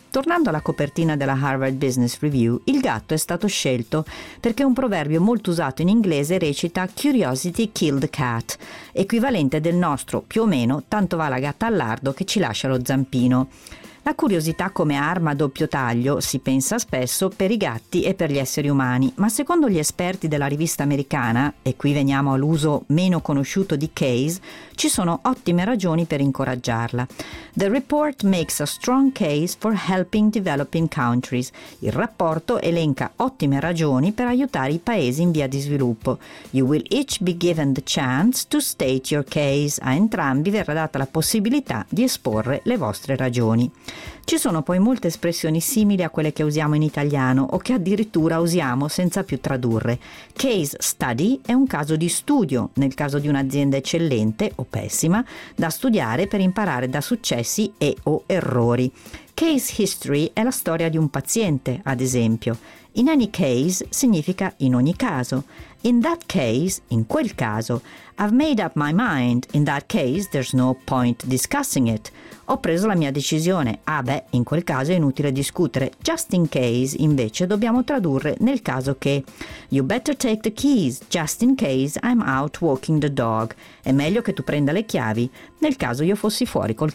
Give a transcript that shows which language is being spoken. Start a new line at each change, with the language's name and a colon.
Italian: Tornando alla copertina della Harvard Business Review, il gatto è stato scelto perché un proverbio molto usato in inglese recita
English: "Curiosity killed the cat",
Italian: equivalente del nostro più o meno "tanto va la gatta al lardo che ci lascia lo zampino". La curiosità come arma a doppio taglio, si pensa spesso, per i gatti e per gli esseri umani, ma secondo gli esperti della rivista americana, e qui veniamo all'uso meno conosciuto di case, ci sono ottime ragioni per incoraggiarla.
English: The report makes a strong case for helping developing countries.
Italian: Il rapporto elenca ottime ragioni per aiutare i paesi in via di sviluppo.
English: You will each be given the chance to state your case.
Italian: A entrambi verrà data la possibilità di esporre le vostre ragioni. Ci sono poi molte espressioni simili a quelle che usiamo in italiano o che addirittura usiamo senza più tradurre. Case study è un caso di studio, nel caso di un'azienda eccellente o pessima, da studiare per imparare da successi e o errori. Case history è la storia di un paziente, ad esempio.
English: In any case
Italian: significa in ogni caso.
English: In that case,
Italian: in quel caso,
English: I've made up my mind, in that case there's no point discussing it.
Italian: Ho preso la mia decisione, ah beh, in quel caso è inutile discutere.
English: Just in case,
Italian: invece, dobbiamo tradurre nel caso che.
English: You better take the keys, just in case I'm out walking the dog.
Italian: È meglio che tu prenda le chiavi, nel caso io fossi fuori col cane.